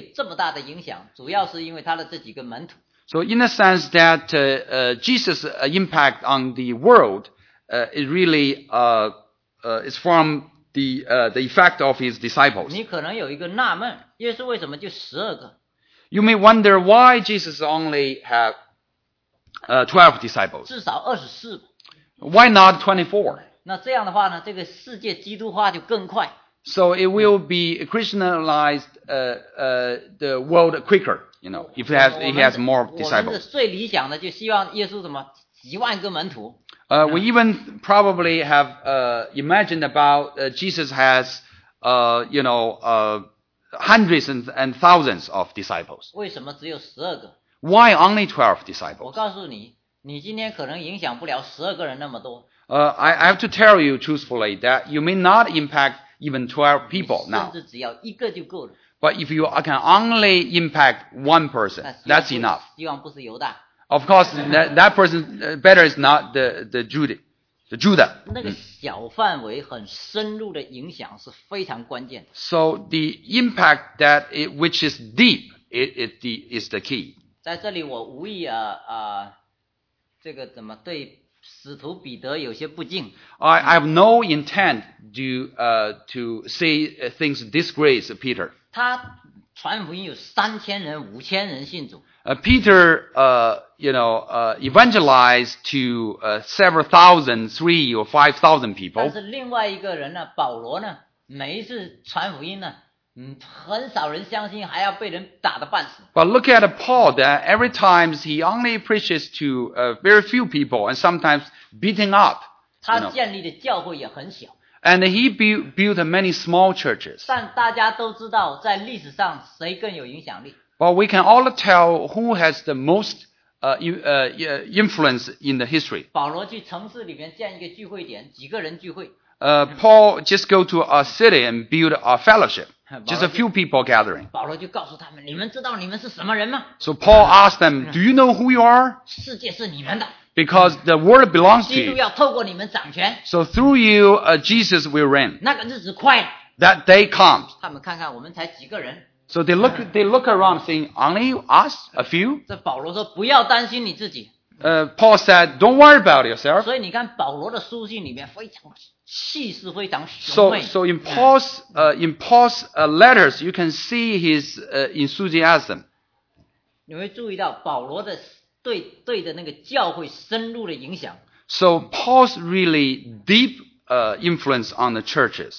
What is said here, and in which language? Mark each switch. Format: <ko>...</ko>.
<zh>所以耶稣从某种角度来讲，耶稣之所以对世界有这么大的影响，主要是因为他的这几个门徒。</zh> <en>So in the sense that Jesus' impact on the world is really is from the effect of his disciples.</en> <zh>你可能有一个纳闷，耶稣为什么就十二个？</zh> <en>You may wonder why Jesus only have 12 disciples.</en> <zh>至少24。</zh> <en>Why not 24?</en> <zh>那这样的话呢，这个世界基督化就更快。</zh> <en>So it will be Christianized the world quicker, you know, if he has more disciples.</en> <zh>我们最理想的就希望耶稣怎么几万个门徒。</zh> <en>We even probably have imagined about Jesus has, you know, hundreds and thousands of disciples.</en> <zh>为什么只有12个？</zh> <en>Why only 12 disciples?</en> <zh>我告诉你，你今天可能影响不了12个人那么多。</zh> <en>I have to tell you truthfully that you may not impact even 12 people now.</en> <zh>甚至只要一个就够了。</zh> <en>But if you can only impact one person, that's enough.</en> <zh>希望不是犹大。</zh> <en>Of course, that person better is not the Judah.</en> <zh>那个小范围很深入的影响是非常关键的。</zh> <en>So the impact that which is deep is the key.</en> <zh>在这里我无意这个怎么对使徒彼得有些不敬。</zh> <en>I have no intent to say things disgrace Peter.</en> <zh>他传福音有三千人、五千人信主。</zh> <en>Peter, evangelized to several thousand, 3,000 or 5,000 people.</en> <zh>但是另外一个人呢，保罗呢，每一次传福音呢，很少人相信，还要被人打得半死。</zh> <en>But look at Paul, that every time he only preaches to very few people and sometimes beating up.</en> <zh>他建立的教会也很小。</zh> <en>And he built many small churches.</en> <zh>但大家都知道，在历史上谁更有影响力。</zh> <en>But we can all tell who has the most influence in the history.</en> <zh>保罗去城市里面建一个聚会点，几个人聚会。</zh> <en>Paul just go to a city and build a fellowship. Just a few people gathering.</en> <zh>保罗就告诉他们，你们知道你们是什么人吗？</zh> <en>So Paul asked them, do you know who you are?</en> <zh>世界是你们的。</zh> <en>Because the world belongs to you.</en> <zh>基督要透过你们掌权。</zh> <en>So through you, Jesus will reign.</en> <zh>那个日子快了。</zh> <en>That day comes.</en> <zh>他们看看我们才几个人。</zh> <en>So they look around saying, only us, a few?</en> <zh>这保罗说不要担心你自己。</zh> <en>Paul said, don't worry about yourself.</en> <zh>所以你看保罗的书信里面非常气势非常雄伟。</zh> <en>So in Paul's letters, you can see his enthusiasm.</en> <zh>你会注意到保罗的对的那个教会深入的影响。</zh> <en>So Paul's really deep influence on the churches.</en>